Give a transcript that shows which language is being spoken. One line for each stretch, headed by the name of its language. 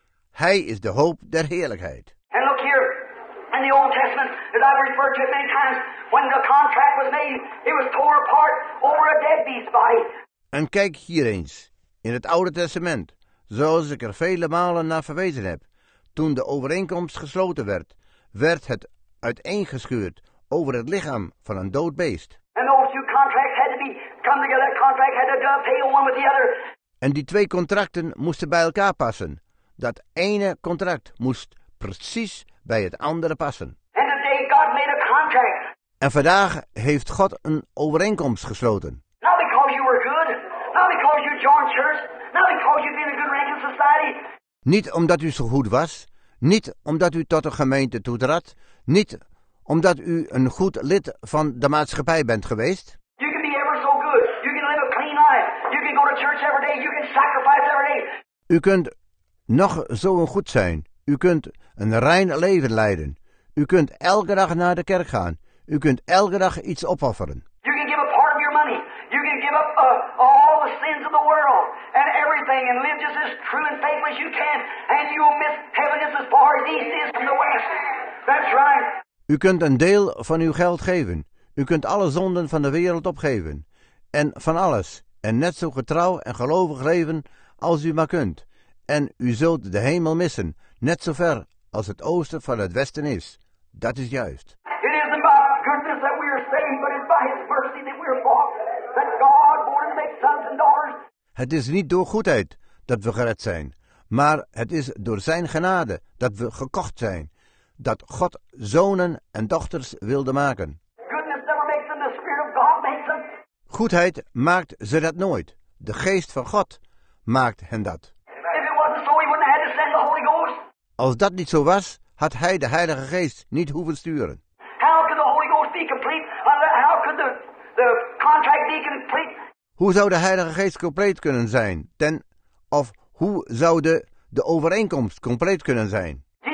Dutch: Hij is de hoop der heerlijkheid.
English: And look here, in the Old Testament, as I've referred to it many times, when the contract was made, it was torn apart over a dead beast's body.
Dutch: En kijk hier eens, in het Oude Testament, zoals ik er vele malen naar verwezen heb, toen de overeenkomst gesloten werd, werd het uiteengescheurd over het lichaam van een dood beest.
English: And those two contracts had to be come together, that contract had to dovetail one with the other.
Dutch: En die twee contracten moesten bij elkaar passen. Dat ene contract moest precies bij het andere passen.
English: And today God made a contract.
Dutch: En vandaag heeft God een overeenkomst gesloten.
English: Not because you were good, not because you joined church, not because you've been a good ranking society.
Dutch: Niet omdat u zo goed was, niet omdat u tot de gemeente toetrad, niet omdat u een goed lid van de maatschappij bent geweest.
English: You can be ever so good. You can live a clean life. You can go to church every day. You can sacrifice every day.
Dutch: U kunt nog zo een goed zijn. U kunt een rein leven leiden. U kunt elke dag naar de kerk gaan. U kunt elke dag iets opofferen.
English: You can give a part of your money. You can give up all the sins of the world and everything and live just as true and faithful as you can. And you will miss heaven just as far as east is from the west. That's right.
Dutch: U kunt een deel van uw geld geven. U kunt alle zonden van de wereld opgeven. En van alles. En net zo getrouw en gelovig leven als u maar kunt. En u zult de hemel missen, net zo ver als het oosten van het westen is. Dat is juist.
English: It isn't by goodness that we are saved, but it's by his mercy that we are bought. That God born to make sons and daughters.
Dutch: Het is niet door goedheid dat we gered zijn, maar het is door zijn genade dat we gekocht zijn. Dat God zonen en dochters wilde maken.
English: Goodness never makes them, the Spirit of God makes them.
Dutch: Goedheid maakt ze dat nooit. De geest van God maakt hen dat.
English: If it wasn't so, he wouldn't have had to send the Holy Ghost.
Dutch: Als dat niet zo was, had hij de Heilige Geest niet hoeven sturen.
English: How could the Holy Ghost be complete? How could the contract be complete?
Dutch: Hoe zou de Heilige Geest compleet kunnen zijn? Ten, of hoe zou de overeenkomst compleet kunnen zijn?